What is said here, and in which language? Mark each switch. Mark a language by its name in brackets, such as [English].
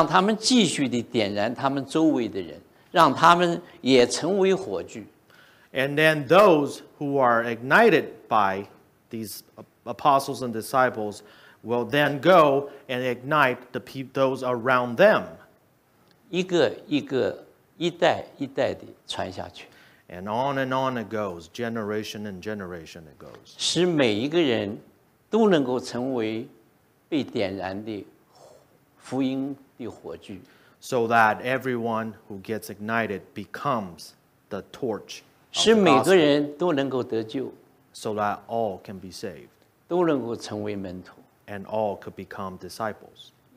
[Chinese] 然后再让这些门徒,让这些火炬的人,点燃火炬的人,让他们继续地点燃他们周围的人。 [English] And then those who are ignited by these apostles and disciples will then go and ignite the people, those around them. [Chinese] 一个一个,一代一代地传下去。 [English] And on it goes, generation and generation it goes. [Chinese] 使每一个人都能够成为被点燃的福音的火炬。 [English] So that everyone who gets ignited becomes the torch of the gospel. [Chinese] 使每个人都能够得救, [English] so that all can be saved. [Chinese] 都能够成为门徒, [English] and all could become disciples.